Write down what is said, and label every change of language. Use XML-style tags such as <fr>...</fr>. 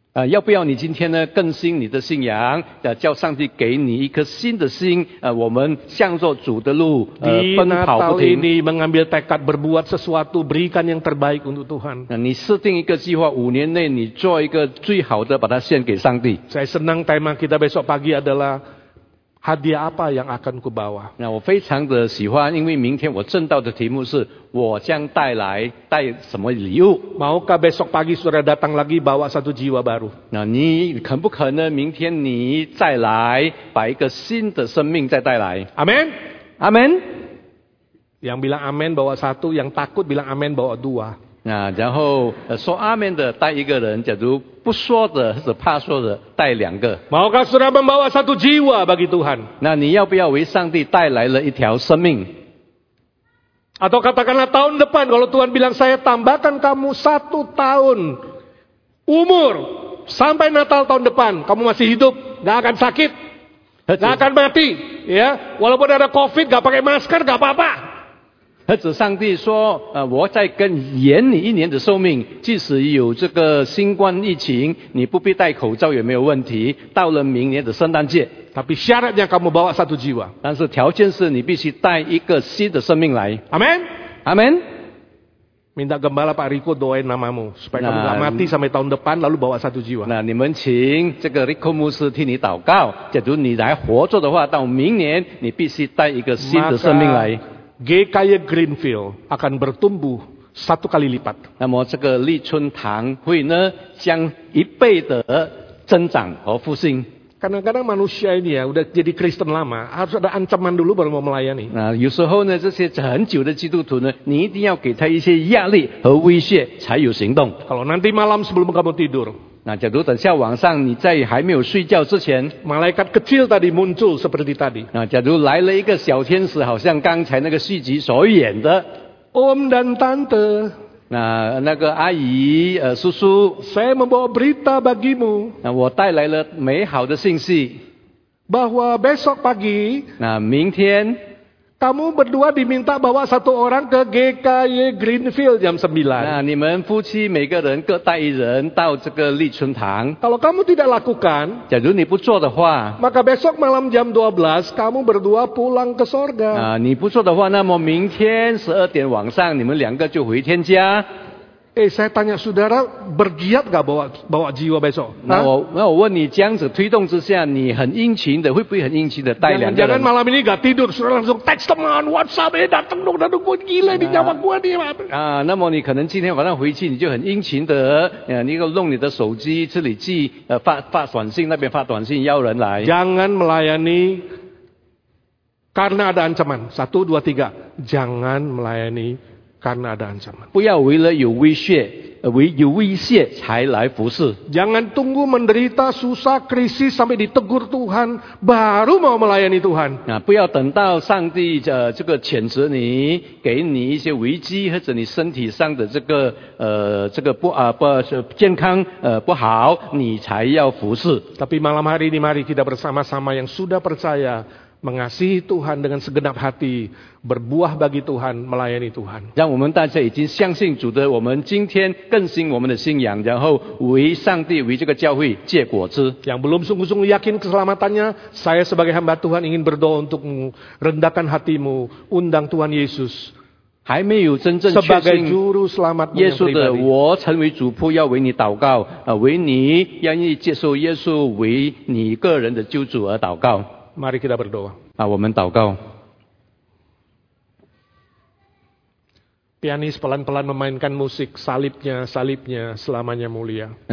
<zh>要不要你今天呢更新你的信仰？叫上帝给你一颗新的心。我们向着主的路奔跑不停。</zh> <id>Di mengambil tekad berbuat sesuatu berikan yang terbaik untuk Tuhan。</id> <zh>你设定一个计划，五年内你做一个最好的，把它献给上帝。</zh> <id>Saya senang tema kita besok pagi adalah hadiah apa yang akan kubawa。</id> <zh>那我非常的喜欢，因为明天我正道的题目是。我将带什么礼物</zh> <id>？Maukah besok pagi saudara datang lagi bawa satu jiwa baru？</id> <zh>那你肯不肯呢？明天你再来，把一个新的生命再带来？Amen， Amen。</zh> <id>Yang bilang Amen bawa satu, yang takut bilang Amen bawa dua。</id> <zh>那然后说 Amen 的带一个人，假如不说的或者怕说的带两个。</zh> <id>Maukah saudara membawa satu jiwa bagi Tuhan？</id> <zh>那你要不要为上帝带来了一条生命？</zh> <id>Atau katakanlah tahun depan kalau Tuhan bilang saya tambahkan kamu satu tahun umur sampai Natal tahun depan kamu masih hidup nggak akan sakit nggak akan mati ya walaupun ada COVID nggak pakai masker nggak apa-apa.</id> <zh>或者上帝说，我再跟延你一年的寿命，即使有这个新冠疫情，你不必戴口罩也没有问题。到了明年的圣诞节。</zh> <id>Tapi syaratnya kamu bawa satu jiwa。</id> <zh>但是条件是你必须带一个新的生命来。 Amen， Amen。</zh> <id>Minta gembala Pak Rico doain namamu supaya kamu nggak mati sampai tahun depan lalu bawa satu jiwa。</id> <zh>那你们请这个 Rico 牧师替你祷告，假如你来活着的话，到明年你必须带一个新的生命来。</zh> <id>GKY Greenfield akan bertumbuh satu kali lipat.</id> <zh>那么这个立春堂会呢将一倍的增长和复兴。</zh> <id>Kadang-kadang manusia ini ya udah jadi Kristen lama harus ada ancaman dulu baru mau melayani.</id> <zh>那有时候呢这些很久的基督徒呢你一定要给他一些压力和威胁才有行动。</zh> <id>Kalau nanti malam sebelum kamu tidur.</id> <zh>那假如等下晚上你在还没有睡觉之前</zh> <id>malaikat kecil tadi muncul seperti tadi.</id> <zh>那假如来了一个小天使好像刚才那个续集所演的</zh> <id>Om dan Tante.</id> <zh>那个阿姨叔叔</zh> <id>saya membawa berita bagimu.</id> <zh>那我带来了美好的信息</zh> <id>bahwa besok pagi</id> <zh>那明天</zh> <id>kamu berdua diminta bawa satu orang ke GKY Greenfield jam 9.</id> <zh>那你们夫妻每个人各带一人到这个立春堂。</zh> <id>Kalau kamu tidak lakukan,</id> <zh>假如你不做的话</zh> <id>maka besok malam jam 12, kamu berdua pulang ke sorga.</id> <zh>那你不做的话那么明天12点晚上你们两个就回天家。</zh> <id>Eh, saya tanya saudara, bergiat gak bawa jiwa besok?</id> <zh>那我问你，这样子推动之下，你很殷勤的，会不会很殷勤的带两个人？</zh> <id>jangan malam ini gak tidur, saudara langsung text teman, WhatsApp, datang dong, datang gue gila di nyawa gue nih.</id> <zh>那么你可能今天晚上回去，你就很殷勤的，你要弄你的手机，这里寄发短信，那边发短信，邀人来。</zh> <id>Jangan melayani karena ada ancaman. Satu, dua, tiga. Jangan melayani karena ada ancaman.</id> <zh>不要为了有威胁，有威胁才来服事。</zh> <id>Jangan tunggu menderita susah krisis sampai ditegur Tuhan baru mau melayani Tuhan.</id> <zh>不要等到上帝这个谴责你，给你一些危机或者你身体上的这个不不健康不好，你才要服事。</zh> <id>Tapi malam hari ini mari kita bersama-sama yang sudah percaya. Mengasihi Tuhan dengan segenap hati, berbuah bagi Tuhan, melayani Tuhan.</id> <zh>让我们大家已经相信主的，我们今天更新我们的信仰，然后为上帝、为这个教会结果子。</zh> <id>Yang belum sungguh-sungguh yakin keselamatannya, saya sebagai hamba Tuhan ingin berdoa untukmu, rendahkan hatimu, undang Tuhan Yesus.</id> <zh>还没有真正确信。</zh> <id>Sebagai juru selamat</id> <zh>Yesus 耶稣的，我成为主仆，要为你祷告，为你愿意接受耶稣为你个人的救主而祷告。</zh> <id>Mari kita berdoa.</id> <zh>我们祷告。</zh> <id>Pianis pelan-pelan memainkan musik, salibnya, salibnya, selamanya mulia.</id>